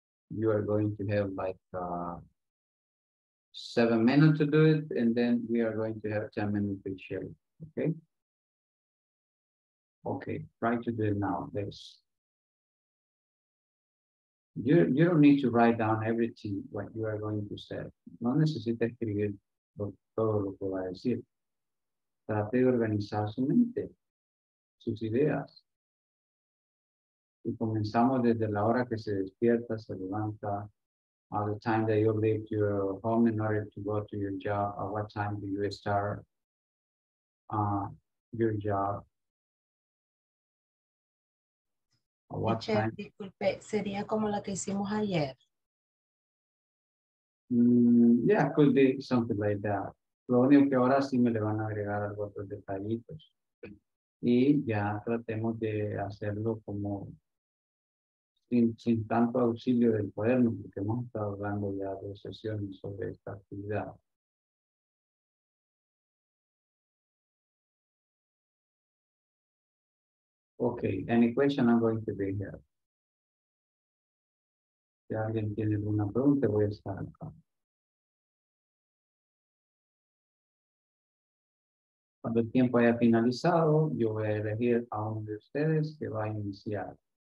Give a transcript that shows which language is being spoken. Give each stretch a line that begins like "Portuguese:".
English: You are going to have like 7 minutes to do it, and then we are going to have 10 minutes to share. Okay. Okay, try to do it now. This. You don't need to write down everything what you are going to say.
Spanish: No necesita escribir todo lo que va a decir. Trate de organizar su mente, sus ideas. Y comenzamos desde la hora que se despierta, se levanta,
English: at the time that you leave your home in order to go to your job, at what time do you start your job.
Spanish: Disculpe, sería como la que hicimos ayer.
English: Yeah, could be something like that.
Spanish: Lo único que ahora sí me le van a agregar algunos otros detallitos. Y ya tratemos de hacerlo como sin tanto auxilio del cuaderno, porque hemos estado hablando ya de sesiones sobre esta actividad.
English: Okay, any question I'm going to be here.
Spanish: Si alguien tiene alguna pregunta, voy a estar acá. Cuando el tiempo haya finalizado, yo voy a elegir a uno de ustedes que va a iniciar.